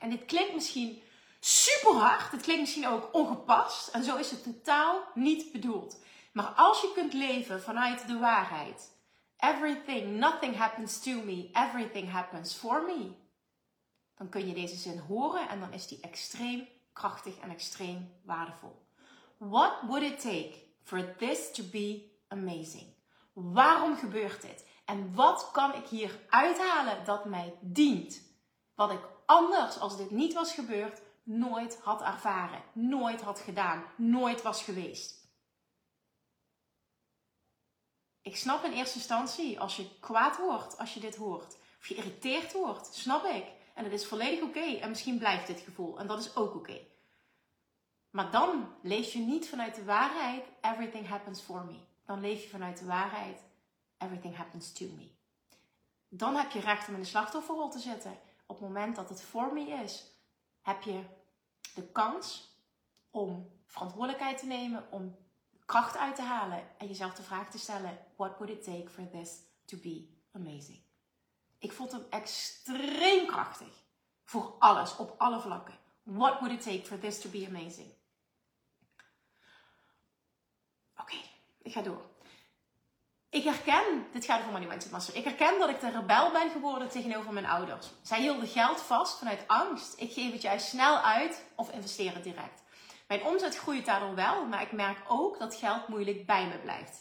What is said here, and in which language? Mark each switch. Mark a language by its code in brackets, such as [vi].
[nl] En dit klinkt misschien super hard, het klinkt misschien ook ongepast en zo is het totaal niet bedoeld. Maar als je kunt leven vanuit de waarheid, [en] everything, nothing happens to me, everything happens for me, [nl] dan kun je deze zin horen en dan is die extreem krachtig en extreem waardevol. [en] What would it take for this to be amazing? [nl] Waarom gebeurt dit? En wat kan ik hier uithalen dat mij dient? Wat ik anders, als dit niet was gebeurd, nooit had ervaren, nooit had gedaan, nooit was geweest. Ik snap in eerste instantie, als je kwaad wordt, als je dit hoort, of geïrriteerd wordt, snap ik. En het is volledig oké. En misschien blijft dit gevoel. En dat is ook oké. Maar dan leef je niet vanuit de waarheid, [en] everything happens for me. [nl] Dan leef je vanuit de waarheid, [en] everything happens to me. [nl] Dan heb je recht om in de slachtofferrol te zitten. Op het moment dat het [en] for me [nl] is, heb je de kans om verantwoordelijkheid te nemen, om kracht uit te halen en jezelf de vraag te stellen, [en] what would it take for this to be amazing? [nl] Ik vond hem extreem krachtig voor alles, op alle vlakken. [en] What would it take for this to be amazing? [nl] Oké, ik ga door. Ik herken, dit gaat over Money Mindset Master, ik herken dat ik de rebel ben geworden tegenover mijn ouders. Zij hielden geld vast vanuit angst. Ik geef het juist snel uit of investeer het direct. Mijn omzet groeit daardoor wel, maar ik merk ook dat geld moeilijk bij me blijft.